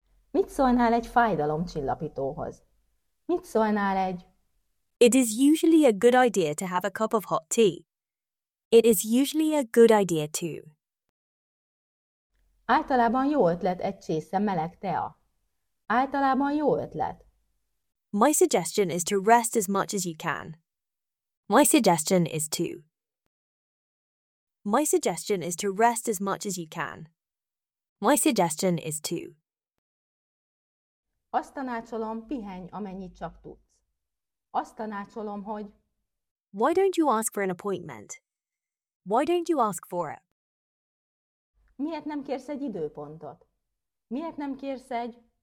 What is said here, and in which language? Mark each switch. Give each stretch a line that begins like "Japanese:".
Hungarian: Mit szólnál egy fájdalomcsillapítóhoz? Mit szólnál egy...
English: It is usually a good idea to have a cup of hot tea. It is usually a good idea to...
Hungarian: Általában jó ötlet egy csésze meleg tea. Általában jó ötlet.
English: My suggestion is to rest as much as you can. My suggestion is to... My suggestion is to rest as much as you can. My suggestion is to...
Hungarian: Azt tanácsolom, pihenj, amennyit csak tudsz. Azt tanácsolom, hogy...
English: Why don't you ask for an appointment? Why don't you ask for it?
Hungarian: Miért nem kérsz egy időpontot? Miért nem kérsz egy...